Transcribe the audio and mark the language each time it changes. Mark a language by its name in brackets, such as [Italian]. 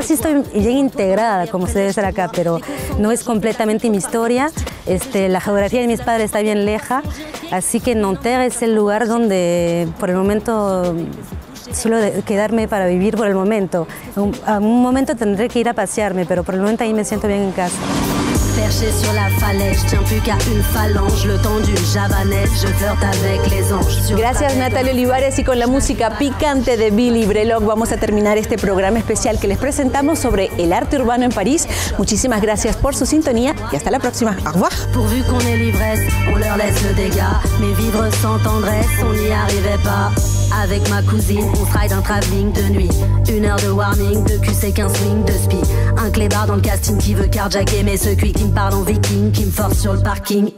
[Spanish] Sí estoy bien integrada, como se debe estar acá, pero no es completamente mi historia. La geografía de mis padres está bien leja. Así que Nanterre es el lugar donde, por el momento, suelo quedarme para vivir por el momento. A un momento tendré que ir a pasearme, pero por el momento ahí me siento bien en casa. [French] Perché sur la falaise, tiens plus qu'à une phalange, le temps d'une javanaise, je flirte avec les anges. [Spanish] Gracias Natalia Olivares, y con la música picante de Billy Brolock vamos a terminar este programa especial que les presentamos sobre el arte urbano en París. Muchísimas gracias por su sintonía y hasta la próxima. [French] Au revoir. Pourvu qu'on ait l'ivresse, on leur laisse le dégât, mais vivre sans tendresse, on n'y arrivait pas. Avec ma cousine, on ride un traveling de nuit. Une heure de warning, de QC, 15 swing, de spi. Un clébard dans le casting qui veut carjacker, mais ce quick qui me parle en viking, qui me force sur le parking.